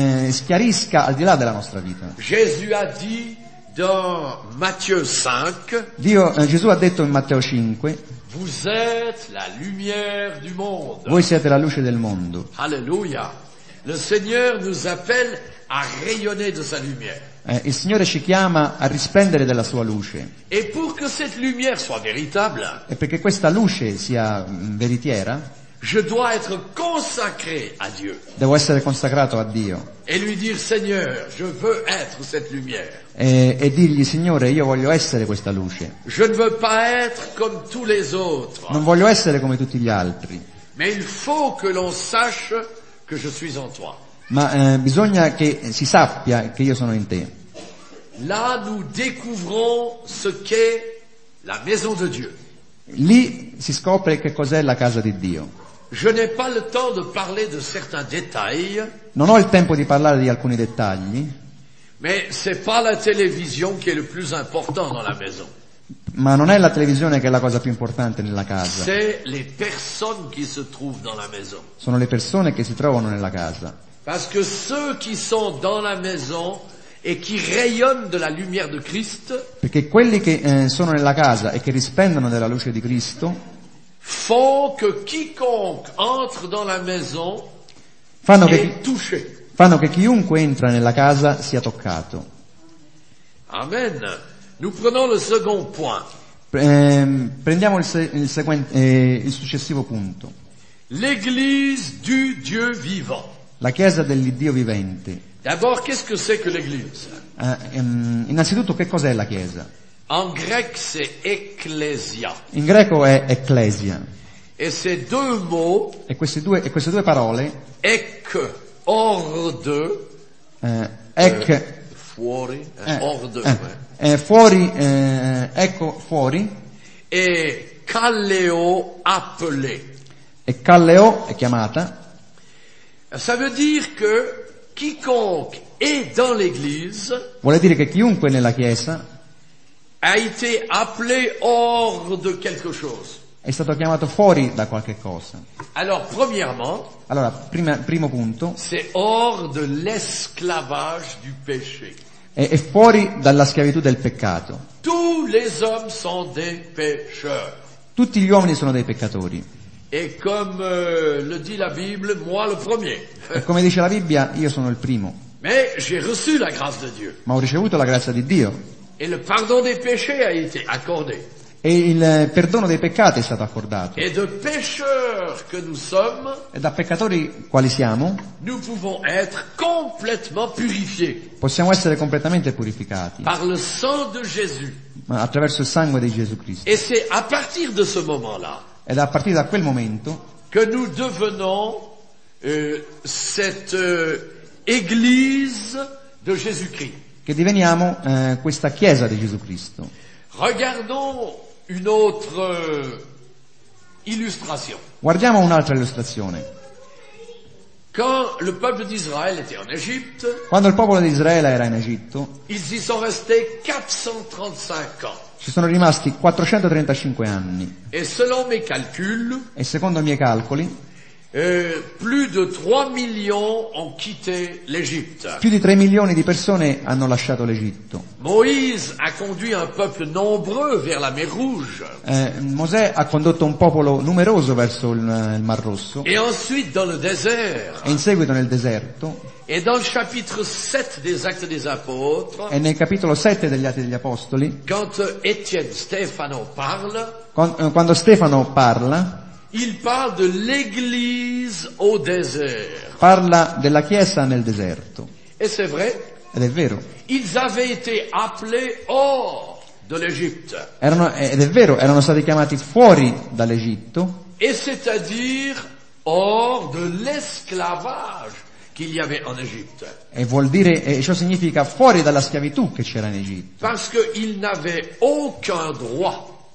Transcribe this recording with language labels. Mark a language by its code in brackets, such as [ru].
[it] Schiarisca al di là della nostra vita. [fr] Jésus a dit dans Matthieu 5. [it] Gesù ha detto in Matteo 5. [fr] Vous êtes la lumière du monde. [it] Voi siete la luce del mondo. Alléluia. [fr] Le Seigneur nous appelle à rayonner de sa lumière. [it] Il Signore ci chiama a risplendere della sua luce. [fr] Et pour que cette lumière soit véritable. [it] E perché questa luce sia veritiera. [fr] Je dois être consacré à Dieu. [it] Devo essere consacrato a Dio. [fr] Et lui dire Seigneur, je veux être cette lumière. [it] E dirgli Signore, io voglio essere questa luce. [fr] Je ne veux pas être comme tous les autres. [it] Non voglio essere come tutti gli altri. [fr] Mais il faut que l'on sache que je suis en toi. [it] Ma bisogna che si sappia che io sono in te. [fr] Là nous découvrons ce qu'est la maison de Dieu. [it] Lì si scopre che cos'è la casa di Dio. [fr] Je n'ai pas le temps de parler de certains détails. [it] Non ho il tempo di parlare di alcuni dettagli. [fr] Mais c'est pas la télévision qui est le plus important dans la maison. [it] Ma non è la televisione che è la cosa più importante nella casa. [fr] C'est les personnes qui se trouvent dans la maison. [it] Sono le persone che si trovano nella casa. [fr] Parce que ceux qui sont dans la maison et qui rayonnent de la lumière de Christ. [it] Perché quelli che sono nella casa e che risplendono della luce di Cristo. [fr] Font que quiconque entre dans la maison est touché. [it] Fanno che chiunque entra nella casa sia toccato. Amen. [fr] Nous prenons le second point. [it] Prendiamo il successivo punto. [fr] L'église du Dieu vivant. [it] La chiesa dell'Iddio vivente. [fr] D'abord, qu'est-ce que c'est que l'église? [it] Innanzitutto, che cos'è la chiesa? [fr] En grec, c'est ecclesia. [it] In greco è ecclesia. [fr] Et ces deux mots. [it] E queste due parole. [fr] Ec, hors de. Ec. Fuori. Hors de. [it] Fuori. Ecco fuori. [fr] Et kaleo appelé. [it] E kaleo è chiamata. [fr] Ça veut dire que quiconque est dans l'église. [it] Vuole dire che chiunque nella chiesa. [fr] A été appelé hors de quelque chose. [it] È stato chiamato fuori da qualche cosa. [fr] Alors, premièrement. [it] Allora, primo punto. [fr] C'est hors de l'esclavage du péché. [it] È fuori dalla schiavitù del peccato. [fr] Tous les hommes sont des pécheurs. [it] Tutti gli uomini sono dei peccatori. [fr] Et comme le dit la Bible, moi le premier. [it] E come dice la Bibbia, io sono il primo. [fr] Mais j'ai reçu la grâce de Dieu. [it] Ma ho ricevuto la grazia di Dio. [fr] Et le pardon des péchés a été accordé. [it] E il perdono dei peccati è stato accordato. [fr] Et de pécheurs que nous sommes. [it] E da peccatori quali siamo? [fr] Nous pouvons être complètement purifiés. [it] Possiamo essere completamente purificati. [fr] Par le sang de Jésus. [it] Attraverso il sangue di Gesù Cristo. [fr] Et c'est à partir de ce moment-là. [it] Ed a partire da quel momento. [fr] Que nous devenons cette église de Jésus-Christ. [it] Che diveniamo questa chiesa di Gesù Cristo. [fr] Regardons une autre illustration. [it] Guardiamo un'altra illustrazione. [fr] Quand le peuple d'Israël était en Égypte, [it] quando il popolo di Israele era in Egitto, [fr] ils y sont restés 435 ans. [it] Ci sono rimasti 435 anni. [fr] Et selon mes calculs, [it] e secondo i miei calcoli, [fr] plus de 3 millions ont quitté l'Égypte. [it] Più di 3 milioni di persone hanno lasciato l'Egitto. [fr] Moïse a conduit un peuple nombreux vers la mer Rouge. [it] Mosè ha condotto un popolo numeroso verso il Mar Rosso. [fr] Et ensuite dans le désert. [it] E in seguito nel deserto. [fr] Et dans le chapitre 7 des Actes des Apôtres. [it] E nel capitolo 7 degli Atti degli Apostoli. [fr] Quand Étienne Stéphano parle. [it] Quando Stefano parla. [fr] Il parle de l'église au désert. [it] Parla della chiesa nel deserto. [fr] Et c'est vrai. [it] Ed è vero. [fr] Ils avaient été appelés hors de l'Égypte. [it] Erano stati chiamati fuori dall'Egitto. [fr] Et c'est-à-dire hors de l'esclavage qu'il y avait en Égypte. [it] E vuol dire, e ciò significa fuori dalla schiavitù che c'era in Egitto. [fr] Parce qu'ils n'avaient aucun droit.